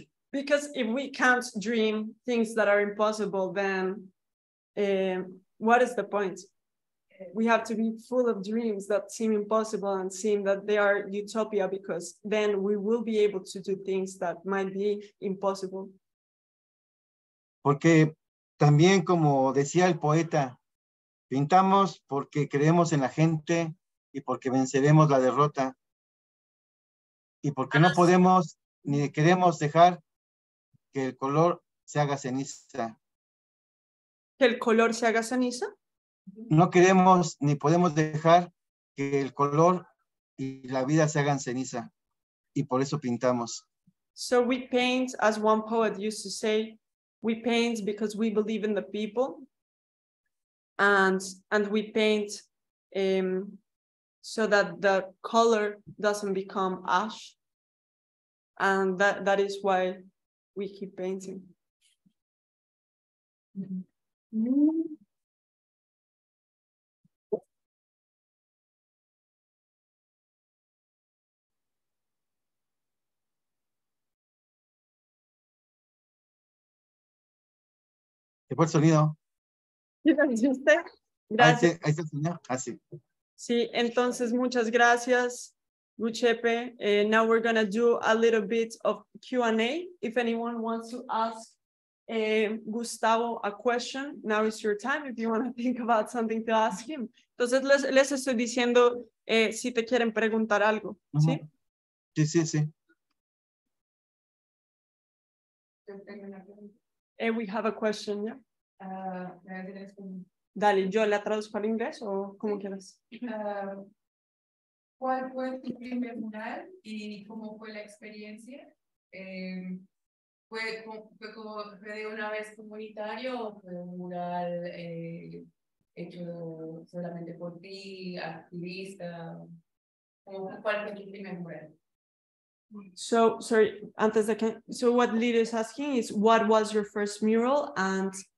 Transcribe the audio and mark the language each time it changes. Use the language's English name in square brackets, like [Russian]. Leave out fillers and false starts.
[English] Because if we can't dream things that are impossible, then what is the point? We have to be full of dreams that seem impossible and seem that they are utopia, because then we will be able to do things that might be impossible. [Spanish] Porque también, como decía el poeta, pintamos porque creemos en la gente y porque venceremos la derrota. Y porque no podemos ni queremos dejar que el color se haga ceniza. ¿Que el color se haga ceniza? No queremos ni podemos dejar que el color y la vida se hagan ceniza. Y por eso pintamos. [English] So we paint, as one poet used to say, we paint because we believe in the people. And we paint so that the color doesn't become ash. And that is why we keep painting. [Spanish] ¿Qué fue el sonido? Gracias. Ahí está, sí, entonces muchas gracias, Guchepe. [English] Now we're going to do a little bit of Q&A. If anyone wants to ask Gustavo a question, now is your time if you want to think about something to ask him. [Spanish] Entonces les estoy diciendo si te quieren preguntar algo, uh-huh. ¿Sí? Sí, sí, sí. [English] We have a question, yeah? [Spanish] Dale, yo la traduzco al inglés o como quieras. ¿Cuál fue tu primer mural y cómo fue la experiencia? ¿Fue de una vez comunitario o fue un mural hecho solamente por ti, activista? ¿Cuál fue tu primer mural? [English] So, sorry, [Spanish] antes de que, [English] so what Lily is asking is, what was your first mural, and